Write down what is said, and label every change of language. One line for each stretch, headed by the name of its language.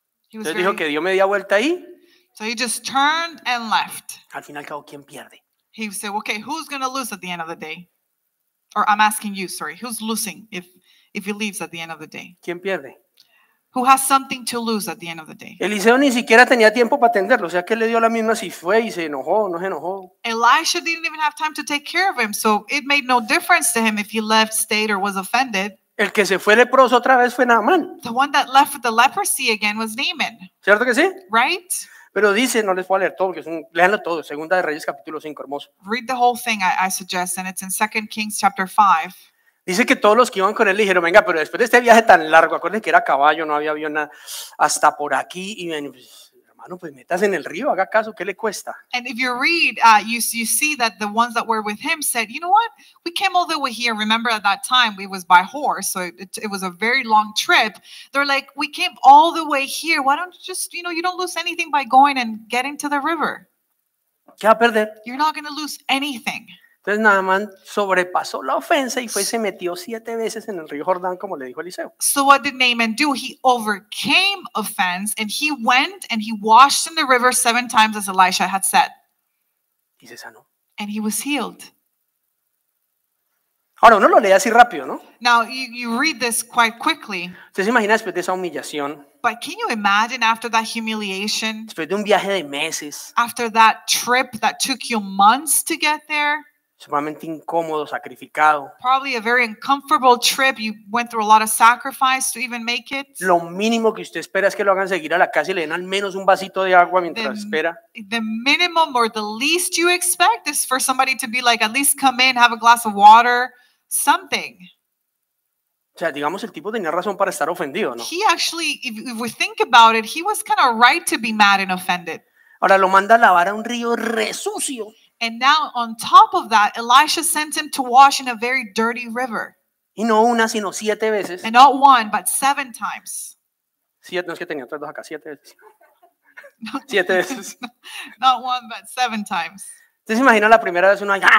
Spanish: Entonces dijo que dio media vuelta ahí.
English: So he just turned and left.
Spanish: Al fin y al cabo, ¿quién pierde?
English: He said, okay, who's going to lose at the end of the day? Or I'm asking you, sorry. Who's losing if he leaves at the end of the day?
Spanish: ¿Quién pierde?
English: Who has something to lose at the end of the day?
Spanish: Eliseo ni siquiera tenía tiempo para atenderlo. O sea, que le dio la misma si fue y se enojó, no se enojó.
English: Elisha didn't even have time to take care of him. So it made no difference to him if he left, stayed, or was offended.
Spanish: El que se fue leproso otra vez fue Naaman.
English: The one that left with the leprosy again was Naaman.
Spanish: ¿Cierto que sí?
English: Right?
Spanish: Pero dice, no les voy a leer todo, porque es un, léanlo todo, Segunda de Reyes capítulo 5, hermoso.
English: Read the whole thing, I suggest, and it's in 2 Kings chapter 5.
Spanish: Dice que todos los que iban con él dijeron, venga, pero después de este viaje tan largo, acuérdense que era caballo, no había avión hasta por aquí, y ven, hermano, pues metas en el río, haga caso, ¿qué le cuesta?
English: And if you read, you see that the ones that were with him said, you know what, we came all the way here, remember at that time, it was by horse, so it was a very long trip. They're like, we came all the way here, why don't you just, you know, you don't lose anything by going and getting to the river.
Spanish: ¿Qué va a perder?
English: You're not going to lose anything.
Spanish: Entonces Naaman sobrepasó la ofensa y fue y se metió 7 veces en el río Jordán, como le dijo Eliseo.
English: So what did Naaman do? He overcame offense and he went and he washed in the river 7 times as Elisha had said.
Spanish: Y se sanó.
English: And he was healed.
Spanish: Ahora uno lo lee así rápido, ¿no?
English: Now you read this quite quickly.
Spanish: ¿Usted se imagina después de esa humillación?
English: But can you imagine after that humiliation?
Spanish: Después de un viaje de meses.
English: After that trip that took you months to get there.
Spanish: Sumamente incómodo, sacrificado.
English: Probably a very uncomfortable trip. You went through a lot of sacrifice to even make it.
Spanish: Lo mínimo que usted espera es que lo hagan seguir a la casa y le den al menos un vasito de agua mientras espera.
English: The minimum or the least you expect is for somebody to be like, at least come in, have a glass of water, something.
Spanish: O sea, digamos, el tipo tenía razón para estar ofendido, ¿no?
English: He actually, if we think about it, he was kind of right to be mad and offended.
Spanish: Ahora lo manda a lavar a un río re sucio.
English: And now, on top of that, Elisha sent him to wash in a very dirty river.
Spanish: Y no una, sino 7 veces.
English: And not one, but 7 times.
Spanish: Siete, no es que tenía otras dos acá, 7 veces. 7 veces.
English: Not one, but 7 times.
Spanish: ¿Usted se imagina la primera vez uno?